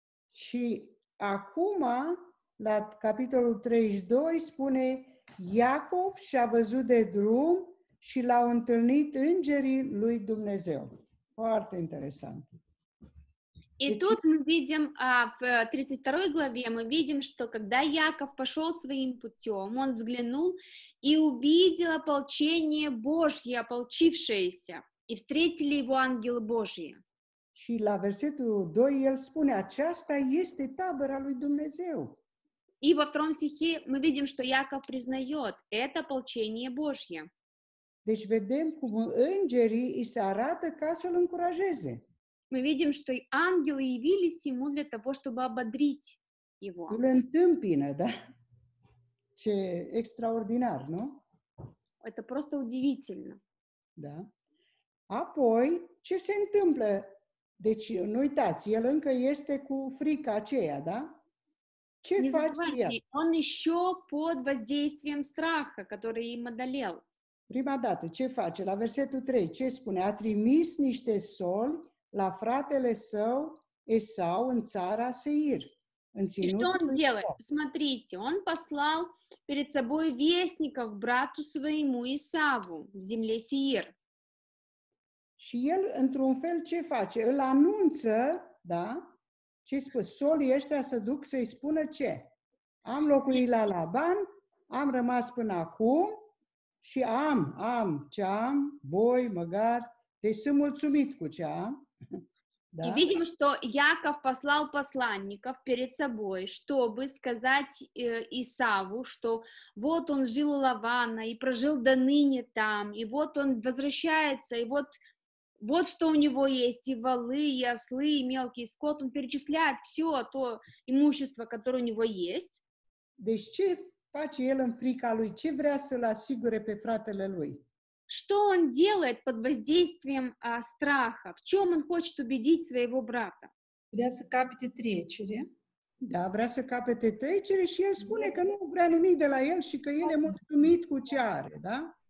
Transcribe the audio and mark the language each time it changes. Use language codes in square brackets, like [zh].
[ro] Și acum, la capitolul 32, spune Iacov și-a văzut de drum și l-au întâlnit îngerii lui Dumnezeu. Foarte interesant. [ru] И тут мы видим, в 32 главе мы видим, что когда Яков пошел своим путем, он взглянул и увидел ополчение Божье, ополчившееся, и встретили его ангелы Божьи. [ro] Și la versetul 2 el spune, aceasta este табора lui Dumnezeu. [ru] И во втором стихе мы видим, что Яков признает, это ополчение Божье. [ro] Deci vedem cum îngerii îi se arată ca să-l încurajeze. [ru] Мы видим, что ангелы явились ему для того, чтобы ободрить его. [ro] Îl întâmpină, [ru] да? [ro] Ce extraordinar, nu? [ru] Это просто удивительно. [ro] Да. Apoi, ce se întâmplă? Deci, nu uitați, el încă este cu frica aceea, da? Ce [ru] не [ro] face [ru] забывайте, [ro] el? [ru] Он еще под воздействием страха, который им одолел. [ro] Prima dată, ce face? La versetul 3, ce spune? A trimis niște soli la fratele său Esau în țara Seir. [ru] И что он делает? Посмотрите, он послал перед собой вестников брату своему Исаву в земле Сеир. [ro] Și el într-un fel ce face? Îl anunță, da? Ce spune? Solii ăștia să duc să-i spună ce? Am locuit la Laban, am rămas până acum și am ce am, boi, măgar, deci sunt mulțumit cu ce am. [ru] Да. И видим, что Яков послал посланников перед собой, чтобы сказать Исаву, что вот он жил у Лавана и прожил до ныне там, и вот он возвращается, и вот что у него есть, и волы, и ослы, и мелкий скот, он перечисляет все то имущество, которое у него есть. [ro] Deci, ce face el în frica lui? Ce vrea să-l asigure pe fratele lui? [ru] Что он делает под воздействием страха? В чем он хочет убедить своего брата? [ro] Vrea să capete trecere. Da, vrea să capete trecere și el spune că nu vrea nimic de la el și că el e mulțumit cu ce are, da?